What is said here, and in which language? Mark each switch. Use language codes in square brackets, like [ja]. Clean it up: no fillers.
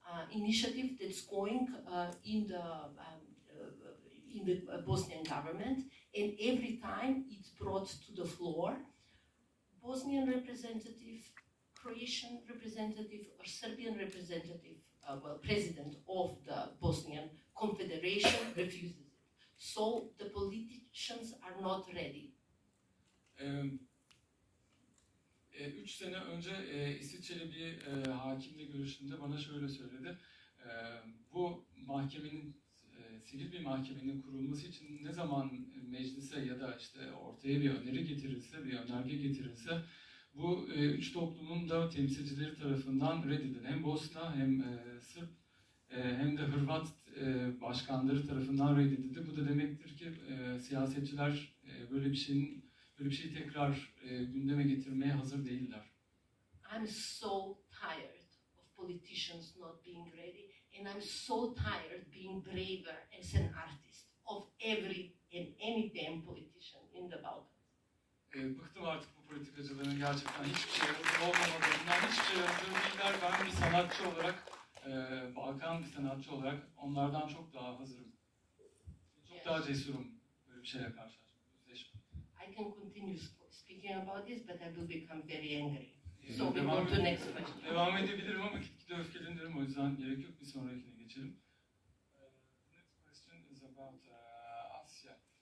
[en] Initiative that's going in the Bosnian government, and every time it's brought to the floor, Bosnian representative, Croatian representative, or Serbian representative, president of the Bosnian Confederation refuses it. So the politicians are not ready. [tr] 3 sene önce İsviçre'li bir hakimle görüştüğümde bana şöyle söyledi. Bu mahkemenin, sivil bir mahkemenin kurulması için ne zaman meclise ya da işte ortaya bir öneri getirirse, bir önerge getirirse bu 3 toplumun da temsilcileri tarafından reddedilir. Hem Bosna, hem Sırp, hem de Hırvat başkanları tarafından reddedildi. Bu da demektir ki siyasetçiler böyle bir şeyi tekrar gündeme getirmeye hazır değiller. [en] I'm so tired of politicians not being ready, and I'm so tired being braver as an artist of every and any damn politician in the Balkans. [tr] Bıktım artık bu politikacıların gerçekten hiçbir şey olmamalarından, hiçbir şey olmamalarından. Ben bir sanatçı olarak, Balkan bir sanatçı olarak onlardan çok daha hazırım. Çok daha cesurum böyle bir şeye karşı. [en] Continue speaking about this, but I will become very angry. So [tr] devam [en] we go to next question. [tr] Devam edebilirim ama kitle öfkelenirim. O yüzden gerek yok. Bir sonrakine geçelim. Next question is about Asya.